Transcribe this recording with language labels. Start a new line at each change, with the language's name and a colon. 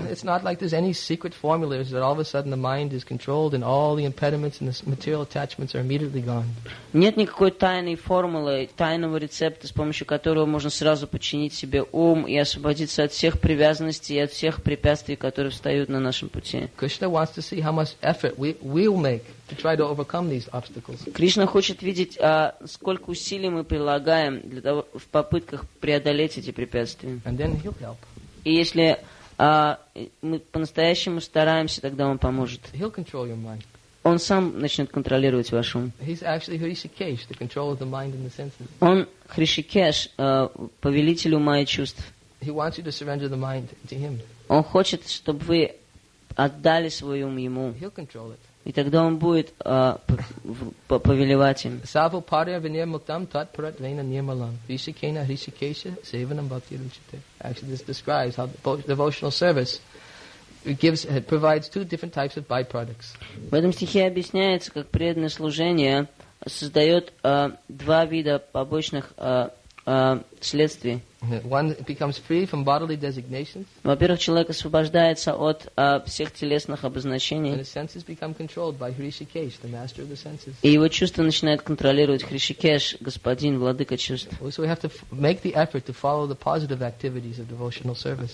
English: It's not like there's any secret formulas that all of a sudden the mind is controlled and all the impediments and the material attachments are immediately gone.
Russian: Нет никакой тайной формулы, тайного рецепта, с помощью которого можно сразу подчинить себе ум и освободиться от всех привязанностей и от всех препятствий, которые встают на нашем пути.
English: Krishna wants to see how much effort we'll make to try to overcome these obstacles.
Russian: Кришна хочет видеть, сколько усилий мы прилагаем для того, в попытках преодолеть эти препятствия.
English: And then he'll help.
Russian: И если мы по-настоящему стараемся, тогда он поможет.
English: He'll control your mind.
Russian: Он сам начнет контролировать ваш ум.
English: He's actually Hrishikesh, the control of the mind and the senses.
Russian: Он Хришикеш, повелитель ума и чувств.
English: He wants you to surrender the mind to him.
Russian: Он хочет, чтобы вы отдали свой ум ему.
English: He'll control it.
Russian: И тогда он будет повелевать им.
Sanskrit: Саву Парья Винья Муктам Тат Парат Вейна Ниямалам Ришикена Ришикеша Севанам Бхакти Ручите.
English: Actually, this describes how devotional service gives, provides two different types of byproducts.
Russian: В этом стихе объясняется, как преданное служение создает два вида побочных следствий.
English: One becomes free from bodily designations.
Russian: Во-первых, человек освобождается от всех телесных обозначений.
English: And his senses become controlled by Hrishikesh, the master of the senses.
Russian: И его чувства начинают контролировать Хришикеш, господин, владыка чувств.
English: So we have to make the effort to follow the positive activities of devotional service.